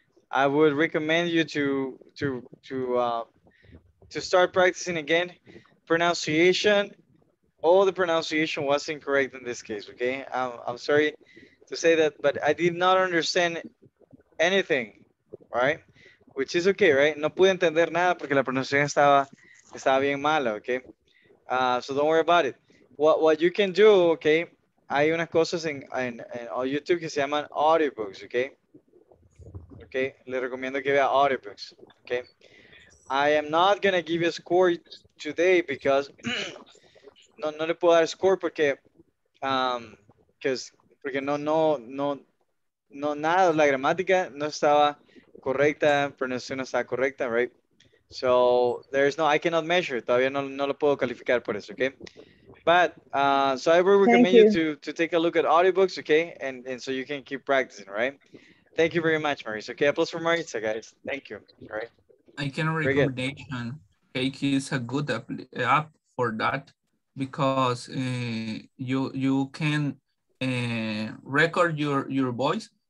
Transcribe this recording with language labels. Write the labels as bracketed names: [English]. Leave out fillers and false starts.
[English] I would recommend you to start practicing again. Pronunciation, all the pronunciation was incorrect in this case, okay? I'm sorry to say that, but I did not understand anything, right? Which is okay, right? [Spanish] No pude entender nada porque la pronunciación estaba bien mala, okay? [English] So don't worry about it. What you can do, okay? [Spanish] Hay unas cosas en YouTube que se llaman audiobooks, [English] okay? [Spanish] Okay, le recomiendo que vea audiobooks, okay? [English] I am not gonna give you a score today because [Spanish] no le puedo dar score porque nada, la gramática no estaba correcta, pronunciación está correcta, right? [English] So there's no, I cannot measure. [Spanish] Todavía no lo puedo calificar por eso, okay? [English] But so I would recommend you to take a look at audiobooks, okay? And so you can keep practicing, right? Thank you very much, Maritza. Okay, applause for Maritza, guys. Thank you. All right. I can recommend KQ is a good app for that because you can record your voice.